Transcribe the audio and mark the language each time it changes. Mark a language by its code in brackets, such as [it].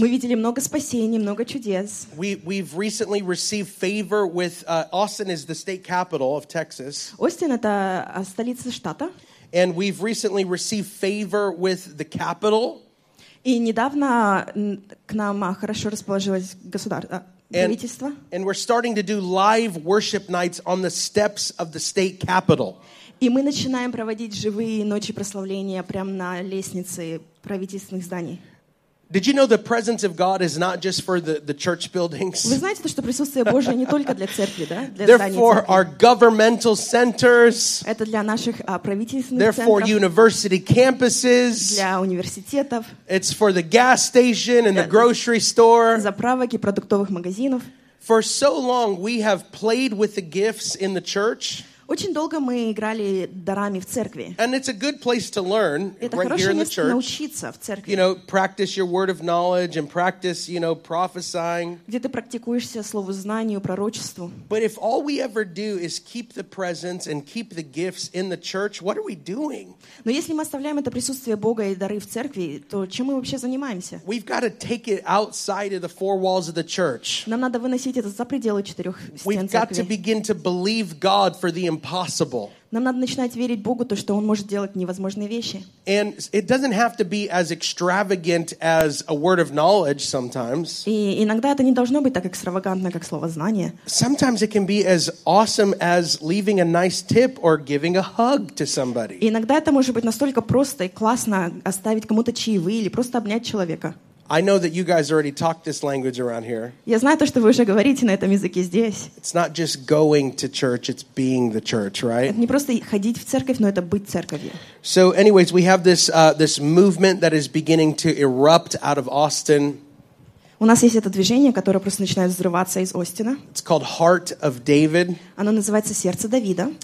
[ru] Мы видели много спасений, много чудес. [en] We've recently received favor with Austin is the state capital of Texas. [ru] Остин — это столица штата. [en] And we've recently received favor with the capital. [ru] И недавно к нам хорошо расположилось государство. Правительство. [en] And we're starting to do live worship nights on the steps of the state capital. [ru] И мы начинаем проводить живые ночи прославления прямо на лестнице правительственных зданий. [en] Did you know the presence of God is not just for the church buildings? [ru] Вы знаете то, что присутствие Божье не только для церкви, да? [en] They're for our governmental centers. [ru] Это для наших правительственных центров. [en] They're for university campuses. [ru] Для университетов. [en] It's for the gas station and the grocery store. [ru] Заправок и продуктовых магазинов. [en] For so long we have played with the gifts in the church. [ru] Очень долго мы играли дарами в церкви. [en] And it's a good place to learn right here in the church. [ru] Это хорошее место научиться в церкви. [en] You know, practice your word of knowledge and practice, you know, prophesying. [ru] Где ты практикуешься слову знанию, пророчеству. [en] But if all we ever do is keep the presence and keep the gifts in the church, what are we doing? [ru] Но если мы оставляем это присутствие Бога и дары в церкви, то чем мы вообще занимаемся? [en] We've got to take it outside of the four walls of the church. [ru] Нам надо выносить это за пределы четырех стен церкви. [en] We've got to begin to believe God for the impossible. [ru] Нам надо начинать верить Богу то, что он может делать невозможные вещи. [en] And it doesn't have to be as extravagant as a word of knowledge sometimes. [ru] И иногда это не должно быть так экстравагантно, как слово знание. [en] Sometimes it can be as awesome as leaving a nice tip or giving a hug to somebody. [ru] И иногда это может быть настолько просто и классно оставить кому-то чаевые или просто обнять человека. [en] I know that you guys already talk this language around here. [ru] Я знаю то, что вы уже говорите на этом языке здесь. [en] It's not just going to church, it's being the church, right? [ru] Это не просто ходить в церковь, но это быть церковью. [en] So anyways, we have this this movement that is beginning to erupt out of Austin. [ru] У нас есть это движение, которое просто начинает взрываться из Остина. [en] It's called Heart of David. [ru] Оно называется Сердце Давида.